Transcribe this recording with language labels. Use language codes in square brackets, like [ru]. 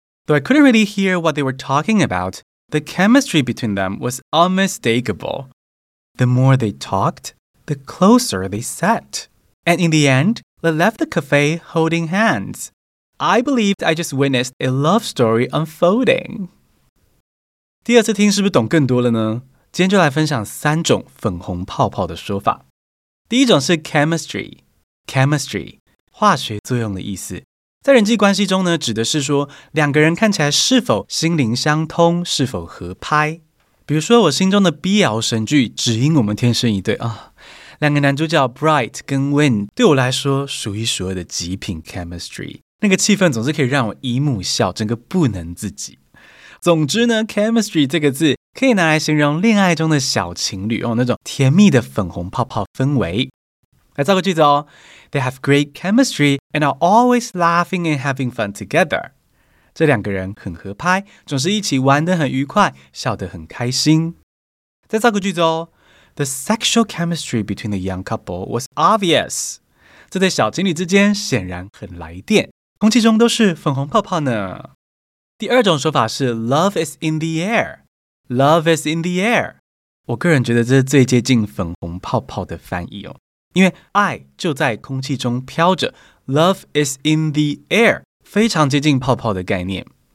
[en] Though I couldn't really hear what they were talking about, the chemistry between them was unmistakable. The more they talked, the closer they sat. And in the end, they left the cafe holding hands. I believed I just witnessed a love story unfolding. [zh] 第二次听是不是懂更多了呢？今天就来分享三种粉红泡泡的说法。第一种是 chemistry, 化学作用的意思。在人际关系中呢，指的是说两个人看起来是否心灵相通，是否合拍。比如说我心中的 BL 神剧《只因我们天生一对》啊，两个男主角 Bright 跟 Win 对我来说数一数二的极品 chemistry， 那个气氛总是可以让我一目笑，整个不能自己。总之呢 ，chemistry 这个字可以拿来形容恋爱中的小情侣哦，那种甜蜜的粉红泡泡氛围。来造个句子哦 [en] ，They have great chemistry and are always laughing and having fun together。 [zh] 这两个人很合拍，总是一起玩得很愉快，笑得很开心。再造个句子哦 [en] ，The sexual chemistry between the young couple was obvious。 [zh] 这对小情侣之间显然很来电，空气中都是粉红泡泡呢。第二种说法是 [en] love is in the air， love is in the air。 [zh] 我个人觉得这是最接近粉红泡泡的翻译哦，因为爱就在空气中飘着， [en] love is in the air， [zh] 非常接近泡泡的概念。